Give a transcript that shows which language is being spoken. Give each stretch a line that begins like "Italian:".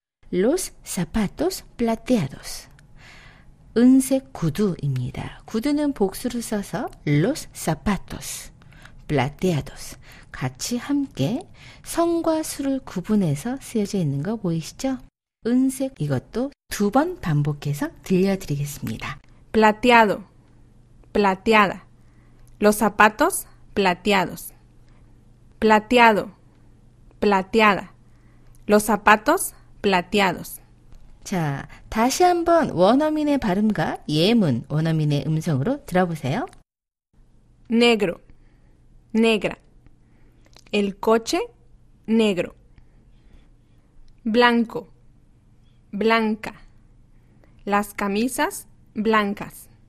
Spanish: Los zapatos plateados.
Korean: 은색 구두입니다. 구두는 복수로 써서
Spanish: los zapatos plateados
Korean: 같이 함께 성과 수를 구분해서 쓰여져 있는 거 보이시죠? 은색 이것도 두 번 반복해서 들려드리겠습니다.
Spanish: plateado plateada los zapatos plateados plateado plateada los zapatos plateados
Korean: 자, 다시 한번 원어민의 발음과 예문, 원어민의 음성으로 들어보세요.
Spanish: Negro, negra. El coche, negro. Blanco, blanca. Las camisas, blancas.